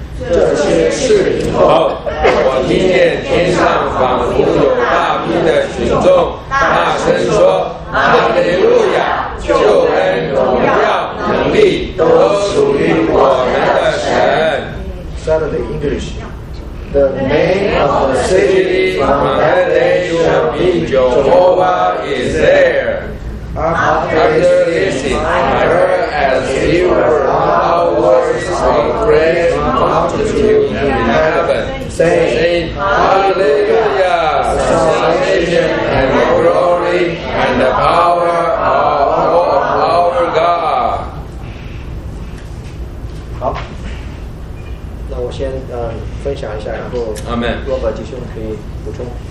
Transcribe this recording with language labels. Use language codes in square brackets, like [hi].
[zh] 这些事以后，我听见天上仿佛有大兵的群众，大声说：“哈利路亚！救恩、荣耀、能力都属于我们的神。” [en] Saturday English. The name of the city from that day shall be Jehovah is there. After this, I heard as you were all words of great multitude in heaven, saying, Hallelujah, salvation and glory and the power of our God. [zh] 好，那我先分享一下，然后罗伯弟兄可以补充。